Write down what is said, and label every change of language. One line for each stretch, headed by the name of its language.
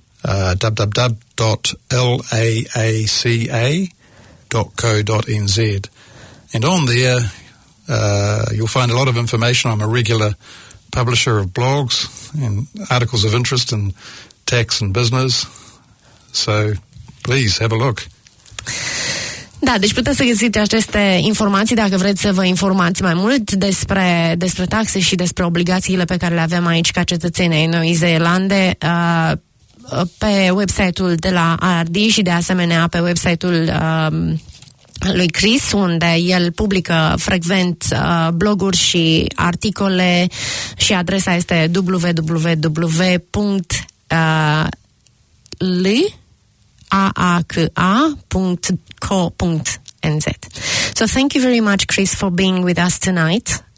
English: www.laaca.co.nz. And on there, you'll find a lot of information. I'm a regular publisher of blogs and articles of interest in tax and business. So please have a look.
Romanian: Da, deci puteți să găsiți aceste informații dacă vreți să vă informați mai mult despre taxe și despre obligațiile pe care le avem aici ca cetățeni ai Noii Zeelande pe website-ul de la ARD și de asemenea pe website-ul lui Chris, unde el publică frecvent bloguri și articole și adresa este www.laaka.co.nz.
English: So thank you very much, Chris, for being with us tonight.